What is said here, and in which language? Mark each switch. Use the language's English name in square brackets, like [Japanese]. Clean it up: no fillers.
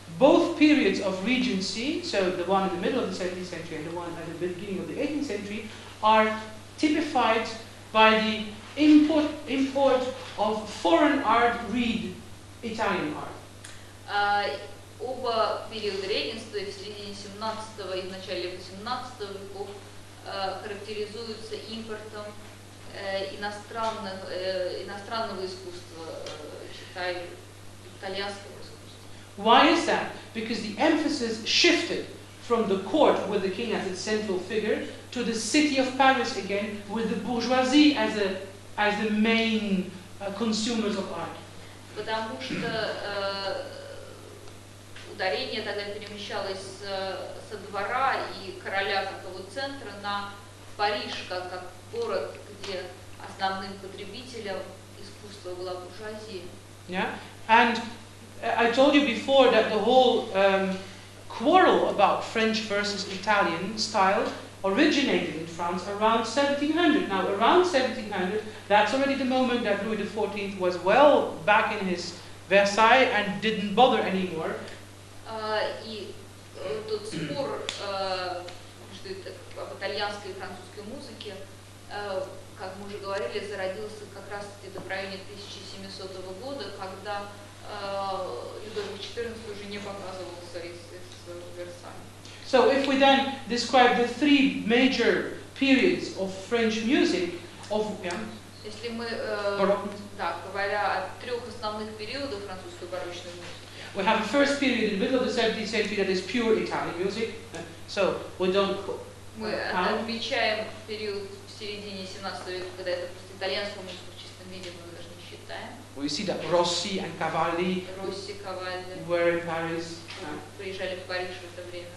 [English] Both periods of regency, so the one in the middle of the 17th century and the one at the beginning of the 18th century, are typified by the import of foreign art, read Italian art. [Russian] Оба периода регенства, в середине 17-го и в начале 18-го веков, характеризуются импортом иностранного искусства, читай, итальянского. [English] Why is that? Because the emphasis shifted from the court with the king as its central figure to the city of Paris again with the bourgeoisie as the main consumers of art. [Russian] Потому что ударение тогда перемещалось со двора и короля как его центра на Париж как город, где основным потребителем искусства была буржуазия. [English] Yeah? And I told you before that the whole quarrel about French versus Italian style originated in France around 1700. Now, around 1700, that's already the moment that Louis XIV was well back in his Versailles and didn't bother anymore. [Russian] Тот спор об итальянской и французской музыке, как мы уже говорили, зародился как раз где-то в районе 1700 года, когда Людовик XIV уже не показывался из Версаля. [English] So if we then describe the three major periods of French music, of [Russian] если мы говоря о трех основных периодах французской барочной музыки. [English] We have a first period in the middle of the 17th century that is pure Italian music. So we don't count. [Russian] Мы отмечаем период в середине 17 века, когда это просто итальянская музыка в чистом виде, мы даже не считаем. [English] We see that Rossi and Cavalli, [Russian] Rossi, Cavalli [English] were in Paris. [Russian] Приезжали в Париж в это время.